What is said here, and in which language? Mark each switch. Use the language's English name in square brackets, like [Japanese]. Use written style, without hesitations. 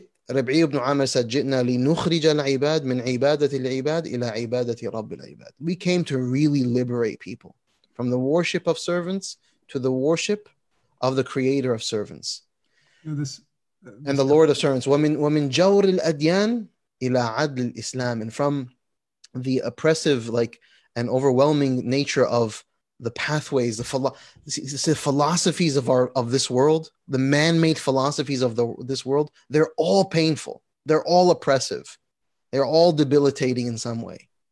[Arabic] ربعي ابن عامر said, جئنا لنخرج العباد من عبادة العباد إلى عبادة رب العباد. [English] We came to really liberate people from the worship of servants to the worship of the creator of servants. And the Lord of servants. [Arabic] ومن جور الأديان إلى عدل الإسلام. [English] And from the oppressive, like, and overwhelming nature of the pathways, the philosophies of this world, the man-made philosophies of this world, they're all painful. They're all oppressive. They're all debilitating in some way.